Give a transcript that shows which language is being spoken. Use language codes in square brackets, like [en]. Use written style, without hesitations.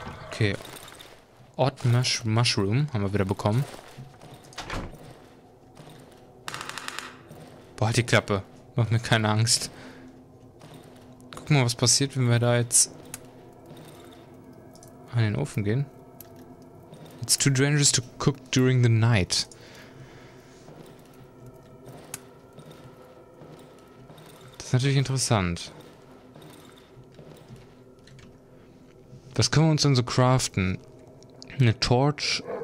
[de] Okay. Odd Mushroom haben wir wieder bekommen. Boah, halt die Klappe. Macht mir keine Angst. Guck mal, was passiert, wenn wir da jetzt an den Ofen gehen. [en] It's too dangerous to cook during the night. [de] Das ist natürlich interessant. Was können wir uns denn so craften? Eine Torch.